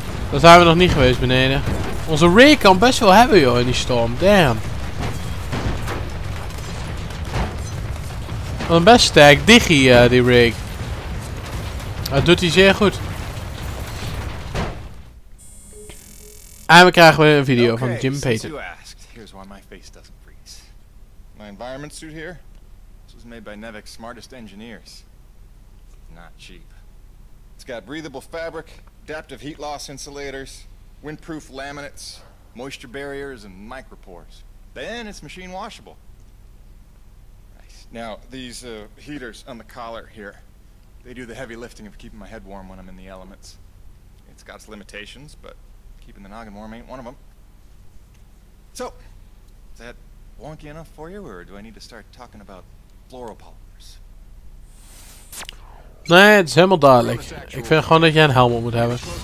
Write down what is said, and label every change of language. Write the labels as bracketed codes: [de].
[nl] Daar zijn we nog niet geweest beneden. Onze rig kan best wel hebben joh in die storm. Damn. Wat een best sterk digi die rig. Dat doet hij zeer goed. En we krijgen weer een video van Jim Payton. [en] Okay, since you asked, here's why my face doesn't freeze. My environment suit here? This was made by Nevik's smartest engineers. Not cheap. It's got breathable fabric, adaptive heat loss insulators, windproof laminates, moisture barriers, and micropores. Then it's machine washable. Nice. Now, these heaters on the collar here, they do the heavy lifting of keeping my head warm when I'm in the elements. It's got its limitations, but keeping the noggin warm ain't one of them. So, is that wonky enough for you, or do I need to start talking about fluoropolymers? [nl] Nee, het is helemaal duidelijk. Ik vind gewoon dat jij een helm op moet hebben.